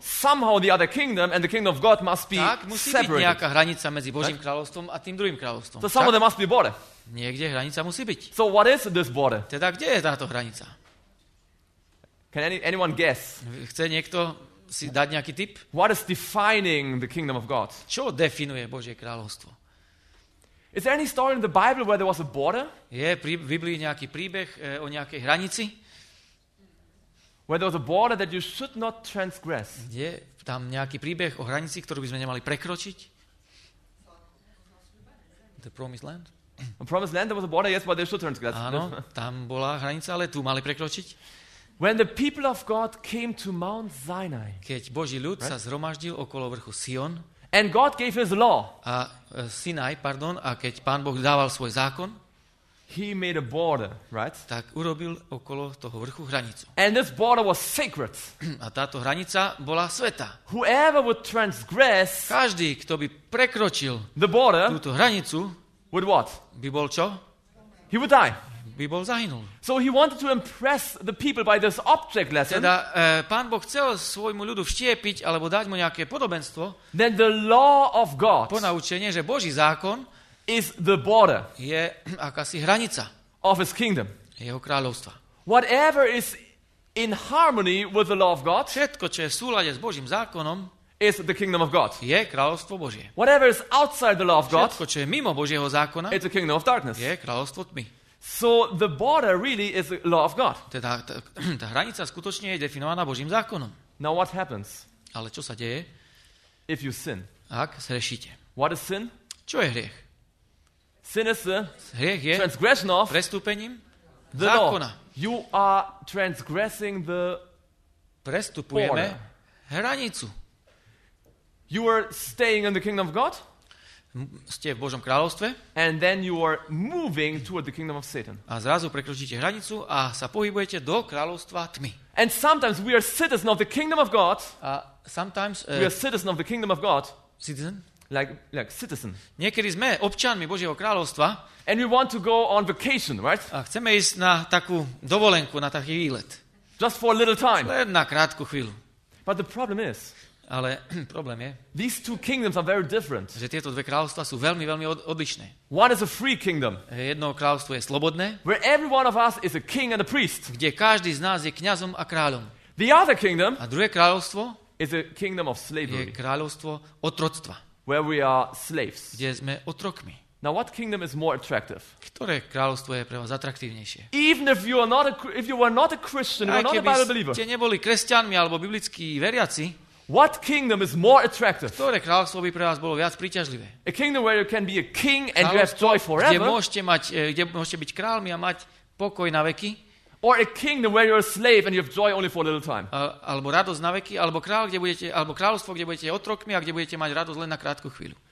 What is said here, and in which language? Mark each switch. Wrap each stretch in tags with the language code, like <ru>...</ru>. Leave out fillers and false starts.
<en>somehow the other kingdom and the kingdom of God must be separated.</en> <sk>Tak musí byť nejaká hranica medzi Božím kráľovstvom a tým druhým kráľovstvom.</sk> <en>So somewhere there must be a border.</en> <sk>Niekde hranica musí byť.</sk> <en>So what is this border?</en> <sk>Teda kde je táto hranica?</sk> <en>Can anyone guess?</en> <sk>Chce niekto si dať nejaký tip?</sk> <en>What is defining the kingdom of God?</en> <sk>Čo definuje Božie kráľovstvo?</sk> <en>Is there any story in the Bible where there was a border?</en> <sk>Je v Biblii nejaký príbeh o nejakej hranici?</sk> <en>Where there was a border that you should not transgress?</en> <sk>Je tam nejaký príbeh o hranici, ktorú by sme nemali prekročiť?</sk> <en>The Promised Land? The Promised Land, there was a border, yes, but they should transgress.</en> <sk>Áno, tam bola hranica, ale tu mali prekročiť.</sk> <en>When the people of God came to Mount Sinai.</en> <sk>Keď Boží ľud sa zhromaždil okolo vrchu Sion.</sk> <en>And God gave his law.</en> <sk>A Sinai, pardon, a keď Pán Boh dával svoj zákon.</sk> <en>He made a border, right?</en> <sk>Tak urobil okolo toho vrchu hranicu.</sk> <en>And this border was sacred.</en> <sk>A táto hranica bola svätá.</sk> <en>Whoever would transgress.</en> <sk>Každý, kto by prekročil</sk> <en>the border,</en> <sk>túto hranicu,</sk> <en>would what?</en> <sk>By bol čo?</sk> <en>He would die.</en> <sk>By bol zahynul.</sk> <en>So he wanted to impress the people by this object lesson.</en> <sk>Teda Pán Boh chcel svojmu ľudu vštiepiť alebo dať mu nejaké podobenstvo.</sk> <en>Then the law of God.</en> <sk>Ponaučenie, že Boží zákon</sk> <en>is the border.</en> <sk>Je akási hranica.</sk> <en>Of his kingdom.</en> <sk>Jeho kráľovstva.</sk> <en>Whatever is in harmony with the law of God.</en> <sk>Všetko, čo je v súlade s Božím zákonom,</sk> <en>is the kingdom of God.</en> <sk>Je kráľovstvo Božie.</sk> <en>Whatever is outside the law of God.</en> <sk>Všetko, čo je mimo Božieho zákona,</sk> <en>it's the kingdom of darkness.</en> <sk>Je kráľovstvo tmy.</sk> <en>So the border really is the law of God.</en> <sk>Teda tá hranica skutočne je definovaná Božím zákonom.</sk> <en>Now what happens?</en> <sk>Ale čo sa deje?</sk> <en>If you sin.</en> <sk>Ak zhrešíte.</sk> <en>What is sin?</en> <sk>Čo je hriech?</sk> <en>Sin is</en> <sk>hriech je</sk> <en>transgression of</en> <sk>prestúpením</sk> <en>the</en> <sk>zákona.</sk> <en>Law. You are transgressing the</en> <sk>prestupujeme hranicu.</sk> <en>You are staying in the kingdom of God?</en> <sk>Ste v Božom kráľovstve?</sk> <en>And then you are moving toward the kingdom of Satan.</en> <sk>A zrazu prekročíte hranicu a sa pohybujete do kráľovstva tmy.</sk> <en>And sometimes we are citizens of the kingdom of God. A sometimes we are citizens of the kingdom of God. Citizen? Like citizen.</en> <sk>Niekedy sme občanmi Božieho kráľovstva.</sk> <en>And we want to go on vacation, right?</en> <sk>A chceme ísť na takú dovolenku, na taký výlet.</sk> <en>Just for a little time.</en> <sk>Len na krátku chvíľu.</sk> <en>But the problem is,</en> <sk>ale problém je,</sk> <en>these two kingdoms are very different.</en> <sk>Že tieto dve kráľovstva sú veľmi, veľmi odlišné.</sk> <en>One is a free kingdom.</en> <sk>Jedno kráľovstvo je slobodné.</sk> <en>Where every one of us is a king and a priest.</en> <sk>Kde každý z nás je kňazom a kráľom.</sk> <en>The other kingdom.</en> <sk>A druhé kráľovstvo</sk> <en>is a kingdom of slavery.</en> <sk>Je kráľovstvo otroctva.</sk> <en>Where we are slaves.</en> <sk>Kde sme otrokmi.</sk> <en>Now what kingdom is more attractive?</en> <sk>Ktoré kráľovstvo je pre vás atraktívnejšie?</sk> <en>Even if you are not a, if you were not a Christian, you are not a Bible believer.</en> <sk>Ste neboli kresťanmi alebo biblickí veriaci.</sk> <en>What kingdom is more attractive?</en> <sk>Ktoré kráľovstvo by pre vás bolo viac príťažlivé?</sk> <en>A kingdom where you can be a king and you have joy forever.</en> <sk>Kde môžete byť kráľmi a mať pokoj na veky?</sk> <en>Or a kingdom where you're a slave and you have joy only for a little time.</en> <sk>Alebo radosť na veky, alebo kráľ, kde budete, alebo kráľovstvo, kde budete otrokmi a kde budete mať radosť len na krátku chvíľu.</sk>